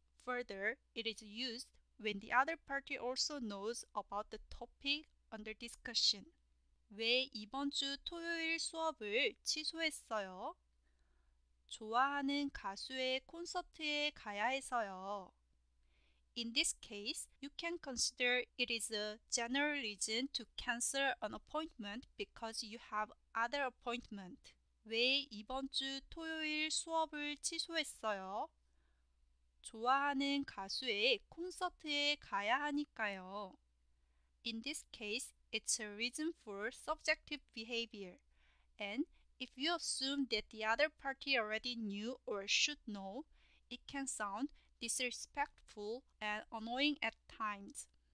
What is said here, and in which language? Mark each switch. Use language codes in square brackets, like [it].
[en] Further, it is used when the other party also knows about the topic under discussion. [ko] 왜 이번 주 토요일 수업을 취소했어요? 좋아하는 가수의 콘서트에 가야 해서요. [en] In this case, you can consider it is a general reason to cancel an appointment because you have other appointment. [ko] 왜 이번 주 토요일 수업을 취소했어요? 좋아하는 가수의 콘서트에 가야 하니까요. [en] In this case, it's a reason for subjective behavior. And if you assume that the other party already knew or should know, it can sound disrespectful and annoying at times.